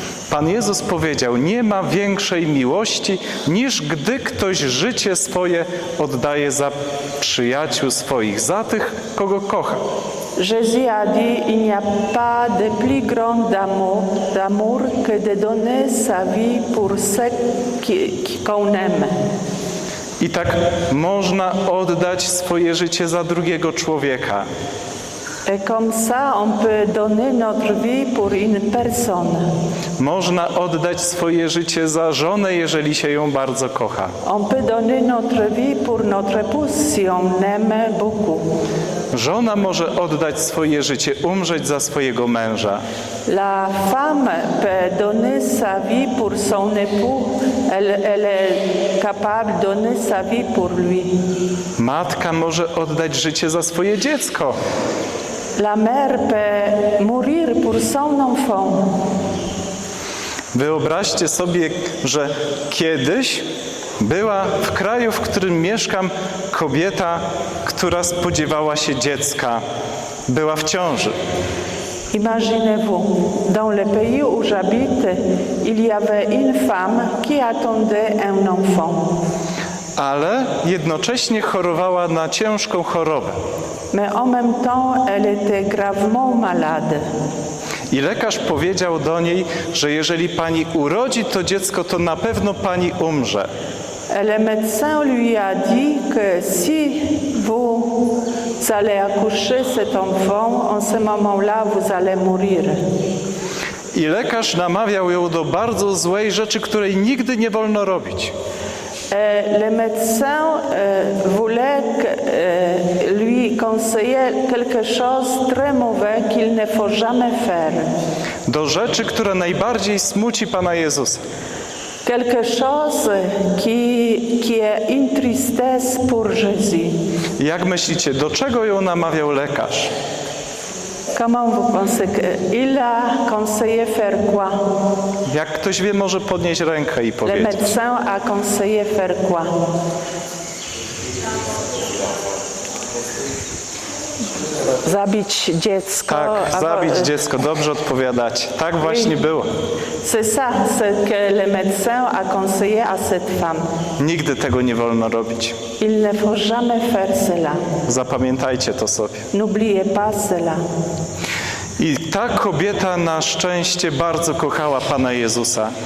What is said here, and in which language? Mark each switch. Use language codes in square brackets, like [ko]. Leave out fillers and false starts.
[pl] Pan Jezus powiedział, nie ma większej miłości, niż gdy ktoś życie swoje oddaje za przyjaciół swoich, za tych, kogo kocha. [fr] Jésus a dit, il n'y a pas de plus grand d'amour que de donner sa vie pour ceux qu'on aime. [pl] I tak można oddać swoje życie za drugiego człowieka. [fr] Et comme ça, on peut donner notre vie pour une personne. [pl] Można oddać swoje życie za żonę, jeżeli się ją bardzo kocha. [fr] On peut donner notre vie pour notre épouse si on aime beaucoup. [pl] Żona może oddać swoje życie, umrzeć za swojego męża. [fr] La femme peut donner sa vie pour son époux. Elle est capable de donner sa vie pour lui. [pl] Matka może oddać życie za swoje dziecko. [fr] La mère peut mourir pour son enfant. [pl] Wyobraźcie sobie, że kiedyś Była w kraju, w którym mieszkam, kobieta, która spodziewała się dziecka. Była w ciąży. [fr] Imaginez-vous, dans le pays où j'habite, il y avait une femme qui attendait un enfant. [pl] Ale jednocześnie chorowała na ciężką chorobę. [fr] Mais en même temps, elle était gravement malade. [pl] I lekarz powiedział do niej, że jeżeli pani urodzi to dziecko, to na pewno pani umrze. [fr] Le médecin lui a dit que si vous allez accoucher cet enfant, en ce moment-là vous allez mourir. [pl] I lekarz namawiał ją do bardzo złej rzeczy, której nigdy nie wolno robić. [fr] Le médecin voulait lui conseiller quelque chose très mauvais qu'il ne faut jamais faire. [pl] Do rzeczy, która najbardziej smuci Pana Jezusa. [fr] Quelque chose qui est une tristesse pour Jésus. [pl] Jak myślicie, do czego ją namawiał lekarz? [fr] Comment vous pensez que il a conseillé faire quoi? [pl] Jak ktoś wie, może podnieść rękę i powiedzieć. [fr] Le médecin a conseillé faire quoi? [pl] Zabić dziecko. Tak, zabić dziecko. Dobrze odpowiadać. Tak właśnie było. [fr] C'est ça, c'est que le médecin a conseillé à cette femme. [pl] Nigdy tego nie wolno robić. [fr] Il ne faut jamais faire cela. [pl] Zapamiętajcie to sobie. [fr] N'oubliez pas cela. [pl] I ta kobieta na szczęście bardzo kochała Pana Jezusa.